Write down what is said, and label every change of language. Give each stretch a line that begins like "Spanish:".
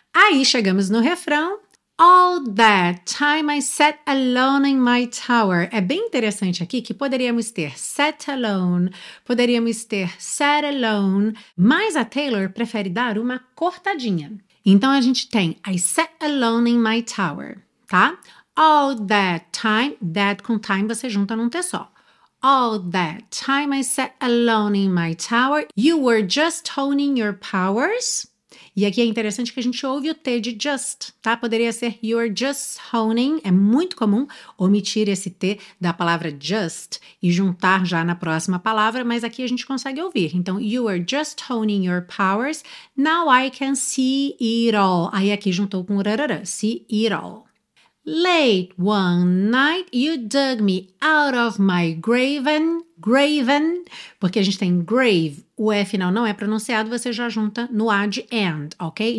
Portuguese: Aí chegamos no refrão.
English: All that time I sat alone in my tower.
Portuguese: É bem interessante aqui que poderíamos ter
English: sat alone,
Portuguese: poderíamos ter sat alone, mas a Taylor prefere dar uma cortadinha. Então a gente tem
English: I sat alone in my tower,
Portuguese: tá?
English: All that time,
Portuguese: that com time você junta num T só.
English: All that time I sat alone in my tower, you were just honing your powers.
Portuguese: E aqui é interessante que a gente ouve o T de just, tá? Poderia ser
English: you're just honing.
Portuguese: É muito comum omitir esse T da palavra just e juntar já na próxima palavra, mas aqui a gente consegue ouvir. Então,
English: you are just honing your powers. Now I can see it all.
Portuguese: Aí aqui juntou com rarara,
English: see it all. Late one night, you dug me out of my graven,
Portuguese: graven, porque a gente tem grave, o E final não é pronunciado, você já junta no A de and, ok?